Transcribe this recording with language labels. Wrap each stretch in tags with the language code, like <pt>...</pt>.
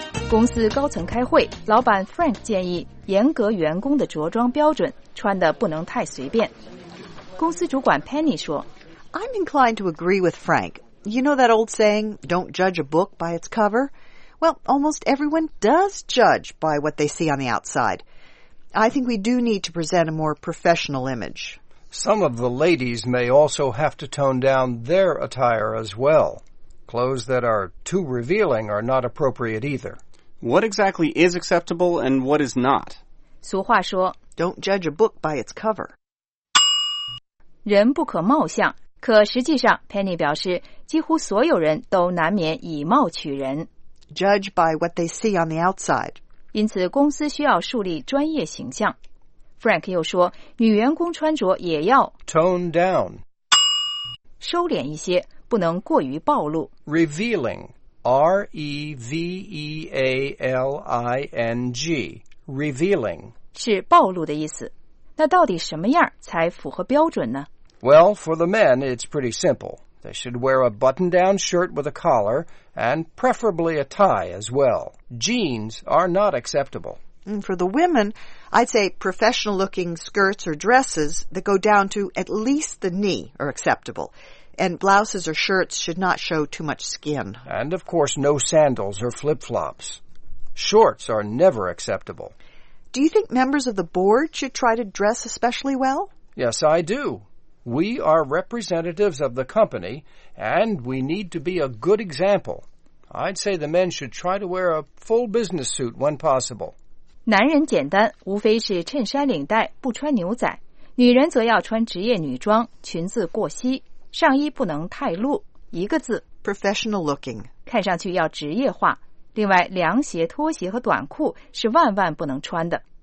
<zh>公司高层开会，老板 Frank 建议严格员工的着装标准，穿的不能太随便。公司主管 Penny 说</zh> <en>I'm inclined to agree with Frank. You know that old saying, don't judge a book by its cover? Well, almost everyone does judge by what they see on the outside. I think we do need to present a more professional image. Some of the ladies may also have to tone down their attire as well. Clothes that are too revealing are not appropriate either. What exactly is acceptable and what is not?</en> <zh>俗话说,</zh> <en>Don't judge a book by its cover.</en> <zh>人不可貌相,可实际上 Penny 表示几乎所有人都难免以貌取人。</zh> <en>Judge by what they see on the outside.</en> <zh>因此公司需要树立专业形象。 Frank 又说女员工穿着也要</zh> <en>tone down</en> <zh>收敛一些不能过于暴露</zh> <en>revealing R-E-V-E-A-L-I-N-G revealing</en> <zh>是暴露的意思那到底什么样才符合标准呢</zh> <en>Well, for the men, it's pretty simple. They should wear a button-down shirt with a collar and preferably a tie as well. Jeans are not acceptable For the women, I'd say professional-looking skirts or dresses that go down to at least the knee are acceptable. And blouses or shirts should not show too much skin. And, of course, no sandals or flip-flops. Shorts are never acceptable. Do you think members of the board should try to dress especially well? Yes, I do. We are representatives of the company, and we need to be a good example. I'd say the men should try to wear a full business suit when possible.</en> <zh>男人简单，无非是衬衫领带，不穿牛仔。女人则要穿职业女装，裙子过膝，上衣不能太露。一个字</zh> <en>，professional looking，</en> <zh>看上去要职业化。另外，凉鞋、拖鞋和短裤是万万不能穿的。</zh>